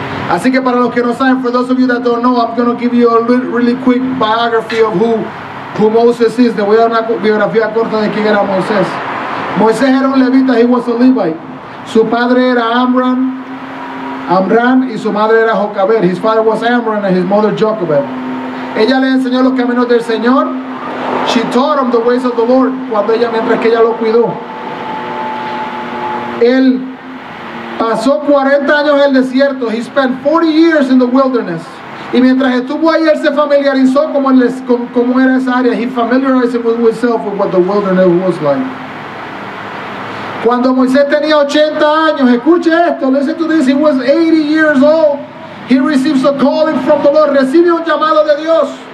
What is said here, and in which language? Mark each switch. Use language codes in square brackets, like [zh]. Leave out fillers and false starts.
[es] Así que para los que no saben, [en] for those of you that don't know, I'm going to give you a really quick biography of who Moses is. [es] Le voy a dar una biografía corta de quién era Moisés. Moisés era un levita, [en] he was a Levite. [es] Su padre era Amram, y su madre era Jocabed. [en] His father was Amram and his mother Jocabed. [es] Ella le enseñó los caminos del Señor. [en] She taught him the ways of the Lord [es] cuando ella, mientras que ella lo cuidó. Él pasó 40 años en el desierto. [en] He spent 40 years in the wilderness. [es] Y mientras estuvo ahí, él se familiarizó como era esa área. [en] He familiarized himself with what the wilderness was like. [es] Cuando Moisés tenía 80 años, escuche esto, [en] listen to this, he was 80 years old. He receives a calling from the Lord. [es] Recibe un llamado de Dios.